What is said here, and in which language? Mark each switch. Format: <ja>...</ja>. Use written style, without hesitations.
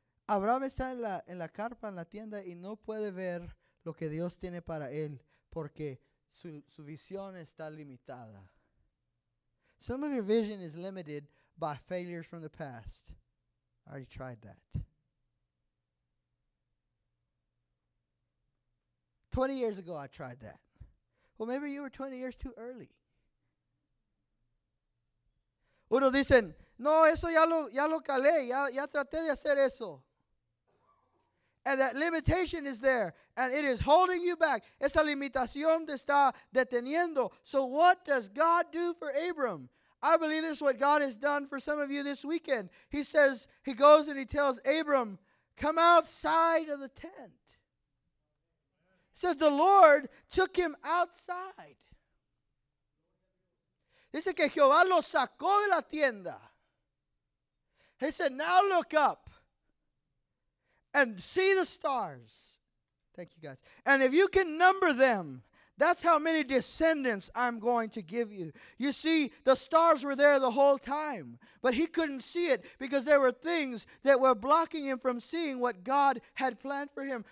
<es>Abraham está en la carpa, en la tienda, y no puede ver lo que Dios tiene para él porque su visión está limitada.</es> <en>Some of your vision is limited by failures from the past. I already tried that. 20 years ago, I tried that. Well, maybe you were 20 years too early.</en> <es>Uno dicen, no, eso ya lo calé, ya traté de hacer eso.</es> <en>And that limitation is there, and it is holding you back.</en> <es>Esa limitación te está deteniendo.</es> <en>So what does God do for Abram? I believe this is what God has done for some of you this weekend. He says, he goes and he tells Abram, come outside of the tent. He says, the Lord took him outside.</en> <es>Dice que Jehová lo sacó de la tienda.</es> <en>He said, now look up and see the stars. Thank you, guys. And if you can number them, that's how many descendants I'm going to give you. You see, the stars were there the whole time, but he couldn't see it because there were things that were blocking him from seeing what God had planned for him.</en>